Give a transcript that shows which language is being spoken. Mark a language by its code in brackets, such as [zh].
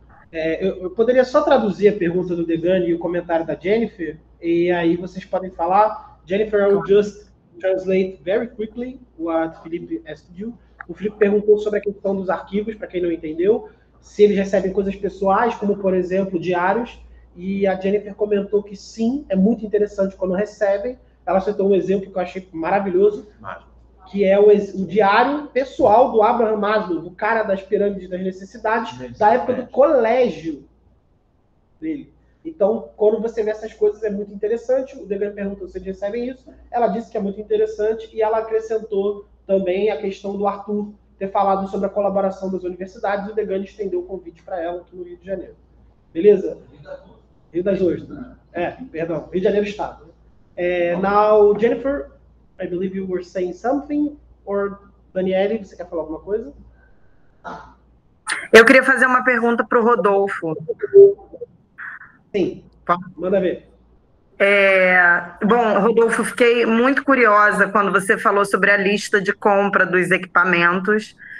[pt] Eu poderia só traduzir a pergunta do Degani e o comentário da Jennifer, e aí vocês podem falar. [en] Jennifer, I would just translate very quickly what Felipe asked you. [pt] O Felipe perguntou sobre a questão dos arquivos, para quem não entendeu, se eles recebem coisas pessoais, como, por exemplo, diários, e a Jennifer comentou que sim, é muito interessante quando recebem. Ela citou um exemplo que eu achei maravilhoso, que é o diário pessoal do Abraham Maslow, o cara das pirâmides das necessidades, da época do colégio dele. Então, quando você vê essas coisas, é muito interessante. O Degani perguntou se eles recebem isso. Ela disse que é muito interessante e ela acrescentou também a questão do Arthur ter falado sobre a colaboração das universidades. O Degani estendeu o convite para ela aqui no Rio de Janeiro. Beleza? Rio das Ostras. Rio de Janeiro Estado. [en] Now, Jennifer, I believe you were saying something. [pt] Or, Daniele, você quer falar alguma coisa? Eu queria fazer uma pergunta para o Rodolfo. Sim, manda ver. Bom, Rodolfo, fiquei muito curiosa quando você falou sobre a lista de compra dos equipamentos.